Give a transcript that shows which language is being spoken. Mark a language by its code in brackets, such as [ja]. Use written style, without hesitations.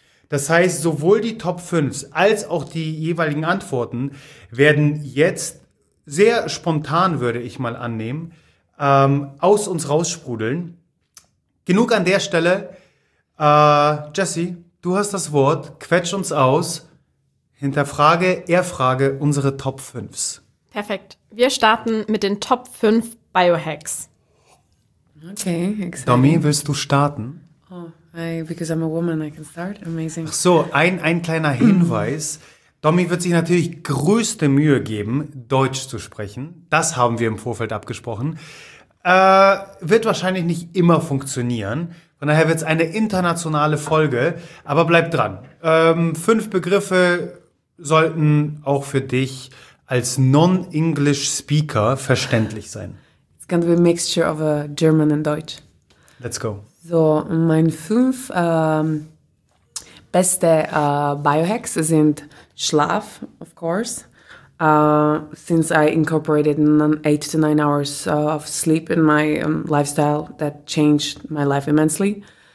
[de] Das heißt, sowohl die Top 5 als auch die jeweiligen Antworten werden jetzt sehr spontan, würde ich mal annehmen, aus uns raussprudeln. Genug an der Stelle. Jessie, du hast das Wort, quetsch uns aus, hinterfrage, erfrage unsere Top 5. Perfekt. Wir starten mit den Top 5 Biohacks. [en] Okay, exciting. [de] Domi, willst du starten? [en] Oh, because I'm a woman, I can start. Amazing. [de] Ach so, ein kleiner Hinweis. Domi wird sich natürlich größte Mühe geben, Deutsch zu sprechen. Das haben wir im Vorfeld abgesprochen. Wird wahrscheinlich nicht immer funktionieren. Von daher wird es eine internationale Folge, aber bleib dran. 5 Begriffe sollten auch für dich als Non-English Speaker verständlich sein. [en] It's gonna be a mixture of a German and Deutsch. Let's go. [de] So, mein 5 beste Biohacks sind Schlaf, [en] of course. Since I incorporated 8 to 9 hours of sleep in my lifestyle, that changed my life immensely.